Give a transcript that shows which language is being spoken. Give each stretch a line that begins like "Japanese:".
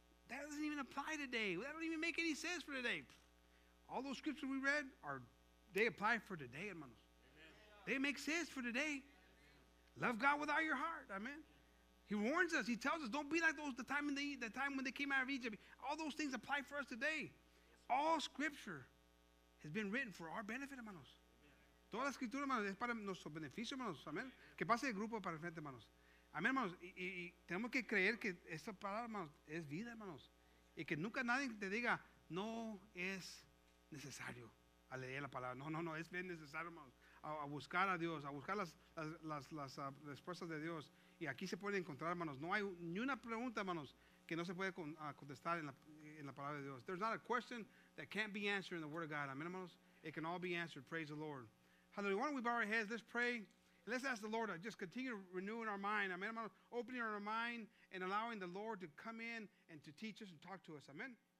English: That doesn't even apply today. That don't even make any sense for today. All those scriptures we read, they apply for today, hermanos. Amen. They make sense for today. Amen. Love God with all your heart. Amen. He warns us. He tells us, don't be like those the time when they came out of Egypt. All those things apply for us today. All scripture has been written for our benefit, hermanos.
Spanish: Toda la escritura, hermanos, es para nuestro beneficio, hermanos. Amén. Que pase el grupo para el frente, hermanos. Amén, hermanos. Y tenemos que creer que esta palabra, hermanos, es vida, hermanos. Y que nunca nadie te diga, no es necesario a leer la palabra. No, es bien necesario, hermanos. A buscar a Dios, a buscar las respuestas de Dios. Y aquí se puede encontrar, hermanos. No hay ni una pregunta, hermanos, que no se puede contestar en la palabra de Dios.
English: There's not a question that can't be answered in the Word of God. Amén, hermanos. It can all be answered. Praise the Lord. Hallelujah. Why don't we bow our heads? Let's pray. Let's ask the Lord to just continue renewing our mind. Amen. Opening our mind and allowing the Lord to come in and to teach us and talk to us. Amen.